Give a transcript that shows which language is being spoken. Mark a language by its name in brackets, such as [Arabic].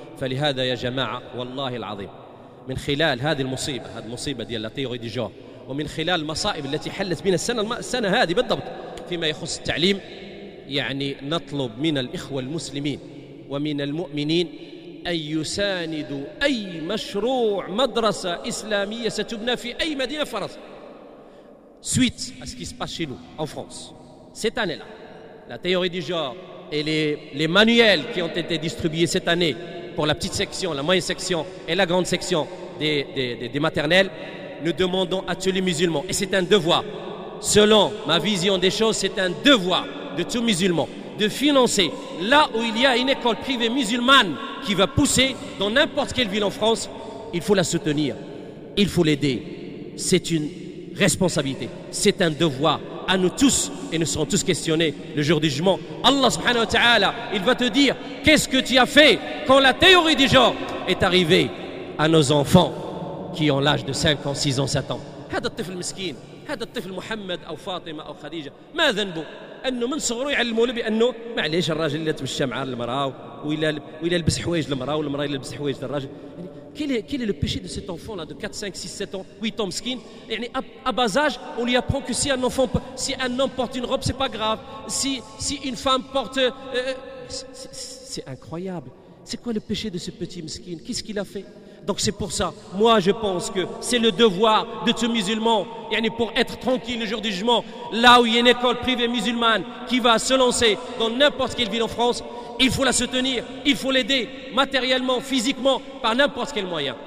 [Arabic] فلهذا يا جماعة والله العظيم من خلال هذه المصيبة ديال [French] لا تيوري دي جونغ، [Arabic] ومن خلال المصائب التي حلت بنا السنة هذه بالضبط فيما يخص التعليم، يعني نطلب من الإخوة المسلمين ومن المؤمنين أن يساندوا أي مشروع مدرسة إسلامية ستبنى في أي مدينة فرنسا. [French] Suite à ce qui se passe chez nous en France cette année-là, la théorie du genre et les manuels qui ont été distribués cette année pour la petite section, la moyenne section et la grande section des maternelles, nous demandons à tous les musulmans, et c'est un devoir, selon ma vision des choses, c'est un devoir de tous les musulmans de financer là où il y a une école privée musulmane qui va pousser dans n'importe quelle ville en France. Il faut la soutenir, il faut l'aider. C'est une responsabilité, c'est un devoir à nous tous, et nous serons tous questionnés le jour du jugement. Allah [Arabic] subhanahu wa ta'ala, [French] il va te dire qu'est-ce que tu as fait quand la théorie du genre est arrivée à nos enfants qui ont l'âge de 5 ans, 6 ans, 7 ans. [Arabic] هذا الطفل مسكين، هذا الطفل محمد أو فاطمة أو خديجة، ما ذنبه؟ أنه من صغره يعلمه له بأنه ما عليش الراجل اللي يتمشى مع المرأة وإلى يلبس حوايج المرأة والمرأة اللي يلبس حوايج للراجل. [French] Quel est le péché de cet enfant là, de 4, 5, 6, 7 ans, 8 ans skin, yani, à bas âge, on lui apprend que si un homme porte une robe, c'est pas grave. Si une femme porte... C'est incroyable. C'est quoi le péché de ce petit miskin? Qu'est-ce qu'il a fait? Donc c'est pour ça, moi je pense que c'est le devoir de tout musulman, yani, pour être tranquille le jour du jugement, là où il y a une école privée musulmane qui va se lancer dans n'importe quelle ville en France, il faut la soutenir, il faut l'aider matériellement, physiquement, par n'importe quel moyen.